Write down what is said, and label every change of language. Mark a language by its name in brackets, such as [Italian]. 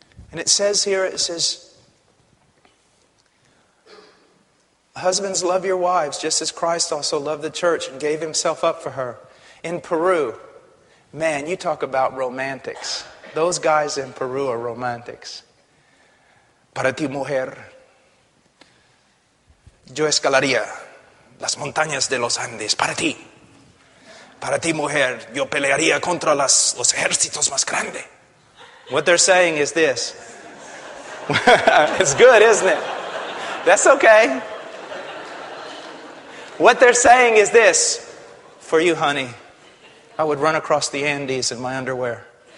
[English] And it says here, it says, husbands, love your wives just as Christ also loved the church and gave himself up for her. In Peru, man, you talk about romantics. Those guys in Peru are romantics. [Spanish] Para ti, mujer, yo escalaría las montañas de los Andes. Para ti, mujer, yo pelearía contra los ejércitos más grandes. [English] What they're saying is this. It's good, isn't it? That's okay. What they're saying is this: for you, honey, I would run across the Andes in my underwear.